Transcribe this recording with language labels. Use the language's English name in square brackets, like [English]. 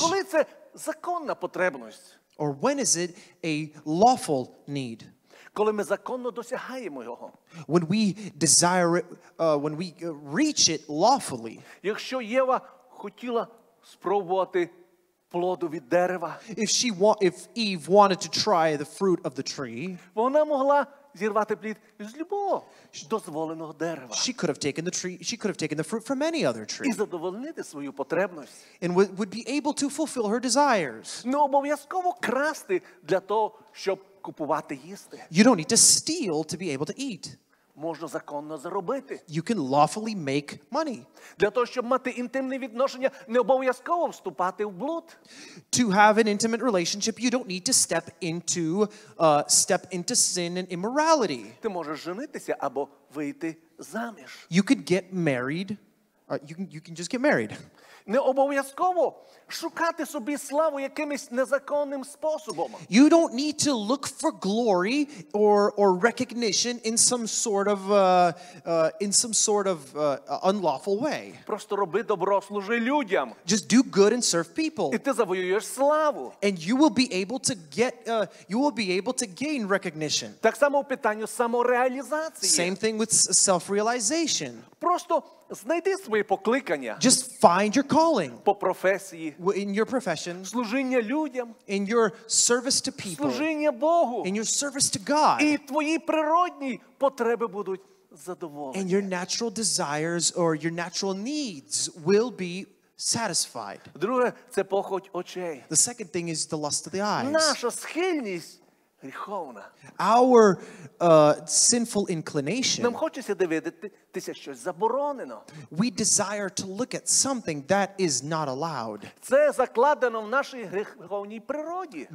[Ukrainian] А коли це законна потребність? [English] Or when is it a lawful need? [Ukrainian] Коли ми законно досягаємо його. [English] When we desire it, when we reach it lawfully. [Ukrainian] Якщо Єва хотіла спробувати плоду від дерева. [English] If Eve wanted to try the fruit of the tree. [Ukrainian] Вона могла зірвати плід з любого дозволеного дерева. [English] She could have taken the tree, she could have taken the fruit from any other tree. [Ukrainian] І задовольнити свою потребність. [English] And would be able to fulfill her desires. [Ukrainian] Не обов'язково красти для того, щоб купувати їсти. [English] You don't need to steal to be able to eat. [Ukrainian] Можна законно заробити. [English] You can lawfully make money. [Ukrainian] Для того, щоб мати інтимні відношення, не обов'язково вступати в блуд. [English] To have an intimate relationship, you don't need to step into sin and immorality. [Ukrainian] Ти можеш женитися або вийти заміж. [English] You could get married. You can just get married. [Ukrainian] Не обов'язково шукати собі славу якимось незаконним способом. [English] You don't need to look for glory or recognition in some sort of unlawful way. [Ukrainian] Просто роби добро, служи людям. [English] Just do good and serve people. [Ukrainian] І ти завоюєш славу. [English] And you will be able to get you will be able to gain recognition. [Ukrainian] Так само у питанню самореалізації. [English] Same thing with self-realization. [Ukrainian] Просто знайди своє покликання. [English] Just find your calling. [Ukrainian] По професії. [English] In your profession. [Ukrainian] Служіння людям. [English] In your service to people. [Ukrainian] Служіння Богу. [English] In your service to God. [Ukrainian] І твої природні потреби будуть задоволені. [English] And your natural desires or your natural needs will be satisfied. [Ukrainian] Друге – це похоть очей. [English] The second thing is the lust of the eyes. [Ukrainian] Наша схильність гріховна. [English] Our sinful inclination. [Ukrainian] Нам хочеться дивитися щось заборонено. [English] We desire to look at something that is not allowed. [Ukrainian] Це закладено в нашій гріховній природі.